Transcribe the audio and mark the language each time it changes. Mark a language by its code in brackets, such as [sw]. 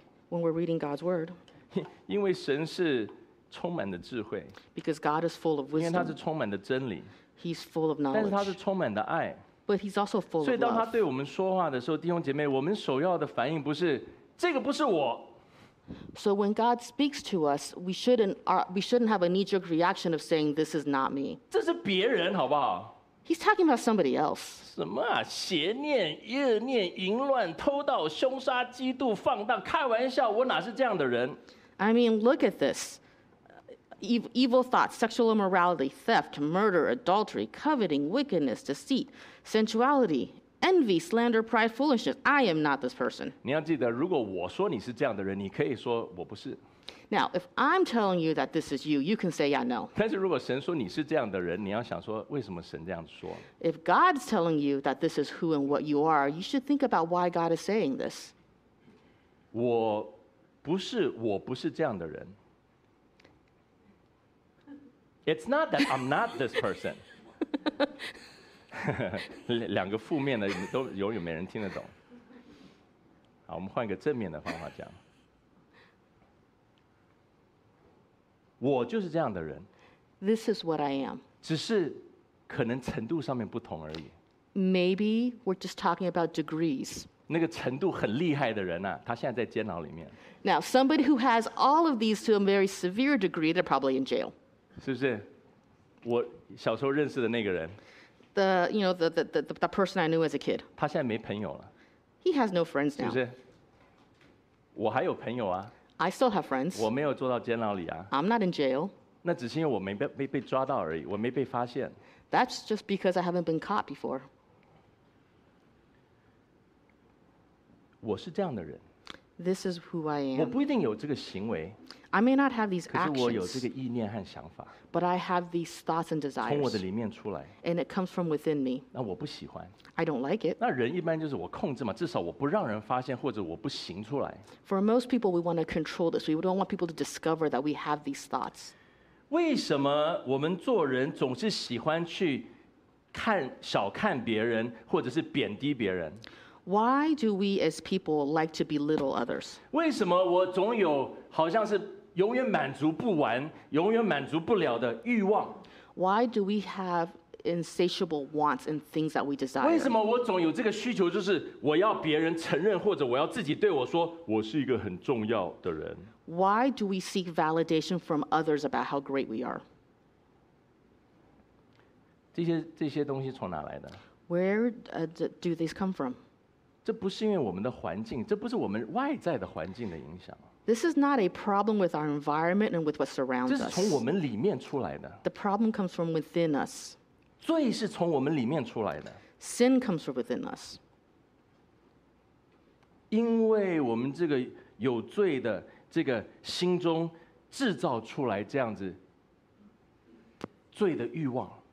[en] ，When we're reading God's word， [zh] 因为神是充满的智慧 [en] ，Because God is full of wisdom， [zh] 因为他是充满的真理 [en] ，He's full of knowledge， [zh] 但是他是充满的爱 [en] ，But He's also full of love。 [zh] 所以当他对我们说话的时候，弟兄姐妹，我们首要的反应不是这个不是我。 [en] So when God speaks to us, we shouldn't have a knee-jerk reaction of saying this is not me。 [zh] 这是别人，好不好？ [en] He's talking about somebody else. [zh] 什么啊？邪念、恶念、淫乱、偷盗、凶杀、嫉妒、放荡、开玩笑，我哪是这样的人 [en] ？I mean, look at this. Evil thoughts, sexual immorality, theft, murder, adultery, coveting, wickedness, deceit, sensuality, envy, slander, pride, foolishness. I am not this person. [zh] 你要记得，如果我说你是这样的人，你可以说我不是。 [en] Now, if I'm telling you that this is you, you can say, yeah, no. [zh] 但是如果神说你是这样的人，你要想说为什么神这样说。 [en] If God's telling you that this is who and what you are, you should think about why God is saying this. [zh] 我不是这样的人。 [en] It's not that I'm not this person. [zh] 两个负面的都永远没人听得懂。好，我们换一个正面的方法讲。我就是这样的人。 [en] This is what I am. [zh] 只是可能程度上面不同而已。 [en] Maybe we're just talking about degrees. [zh] 那个程度很厉害的人啊，他现在在监牢里面。 [en] Now, somebody who has all of these to a very severe degree, they're probably in jail. [zh] 是不是？我小时候认识的那个人。 [en] The, you know, the person I knew as a kid. [zh] 他现在没朋友了。 [en] He has no friends now. [zh] 是不是？我还有朋友啊。 [en] I still have friends. [zh] 我没有坐到监牢里啊。 [en] I'm not in jail. [zh] 那只是因为我没被抓到而已，我没被发现。 [en] That's just because I haven't been caught before. [zh] 我是这样的人。 [en] This is who I am. [zh] 我不一定有这个行为。 [en] I may not have these actions. [zh] 可是我有这个意念和想法。 [en] But I have these thoughts and desires. [zh] 从我的里面出来。 [en] And it comes from within me. [zh] 那我不喜欢。 [en] I don't like it. [zh] 那人一般就是我控制嘛，至少我不让人发现，或者我不行出来。 [en] For most people, we want to control this. We don't want people to discover that we have these thoughts. [zh] 为什么我们做人总是喜欢去看小看别人，或者是贬低别人？ [en] Why do we as people like to belittle others? [zh] 为什么我总有好像是永远满足不完、永远满足不了的欲望？ [en] Why do we have insatiable wants and things that we desire? [zh] 为什么我总有这个需求，就是我要别人承认，或者我要自己对我说，我是一个很重要的人？ [en] Why do we seek validation from others about how great we are? [zh] 这些东西从哪来的？ [en] Where do these come from? [zh] 这不是因为我们的环境，这不是我们外在的环境的影响。 [en] This is not a problem with our environment and with what surrounds us. [zh] 这是从我们里面出来的。 [en] The problem comes from within us. [zh] 罪是从我们里面出来的。 [en] Sin comes from within us. [zh] 因为我们这个有罪的这个心中制造出来这样子罪的欲望。